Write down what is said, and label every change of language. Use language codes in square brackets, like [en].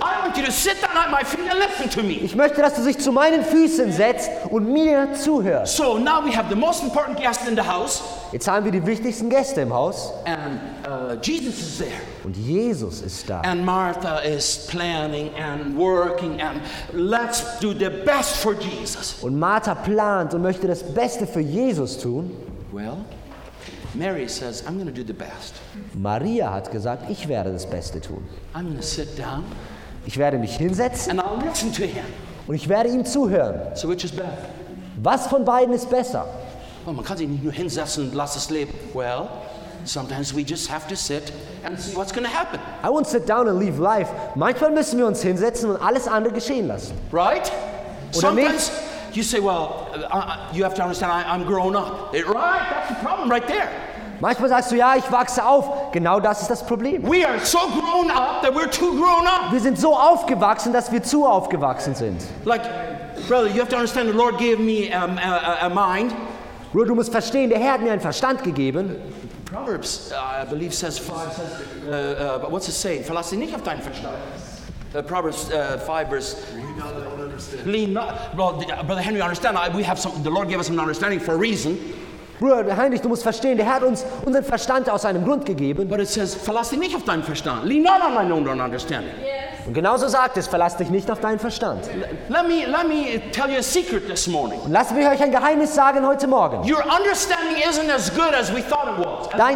[en] I want you to sit down at my feet and listen to me. [de] Ich möchte, dass du dich zu meinen Füßen setzt und mir zuhörst. [en] So now we have the most important guest in the house. [de] Jetzt haben wir die wichtigsten Gäste im Haus. [en] And Jesus is there. [de] Und Jesus ist da. [en] And Martha is planning and working and let's do the best for Jesus. [de] Und Martha plant und möchte das Beste für Jesus tun. [en] Well, Mary says, I'm going to do the best. [de] Maria hat gesagt, ich werde das Beste tun. [en] I'm going to sit down. [de] Ich werde mich hinsetzen. [en] And I'll listen to him. [de] Und ich werde ihm zuhören. [en] So which is better? [de] Was von beiden ist besser? Well, man kann sich nicht nur hinsetzen und lass es leben. [en] Well, sometimes we just have to sit and see what's going to happen. I won't sit down and leave life. [de] Manchmal müssen wir uns hinsetzen und alles andere geschehen lassen. [en] Right? [de] Oder [en] sometimes [de] nicht? [en] You say, well, you have to understand, I'm grown up. Right? That's the problem right there. [de] Manchmal sagst du, ja, ich wachse auf. Genau das ist das Problem. [en] We are so grown up that we're too grown up. [de] Wir sind so aufgewachsen, dass wir zu aufgewachsen sind. [en] Like, brother, you have to understand, the Lord gave me a mind. [de] Bruder, du musst verstehen, der Herr hat mir einen Verstand gegeben. [en] Proverbs, I believe, says, what's it say? [de] Verlass dich nicht auf deinen Verstand. [en] Proverbs 5 verse. Lean not, well, brother Henry, understand? We have some. The Lord gave us an understanding for a reason. [de] Bruder Heinrich, du musst verstehen, der Herr hat uns unseren Verstand aus einem Grund gegeben. [en] But it says, [de] verlass dich nicht auf deinen Verstand. [en] Lean not on my own understanding. Yes. [de] Und genauso sagt es, verlass dich nicht auf deinen Verstand. [en] Let me tell you a secret this morning. [de] Und lasst mich euch ein Geheimnis sagen heute Morgen. [en] Your understanding isn't as good as we thought it was.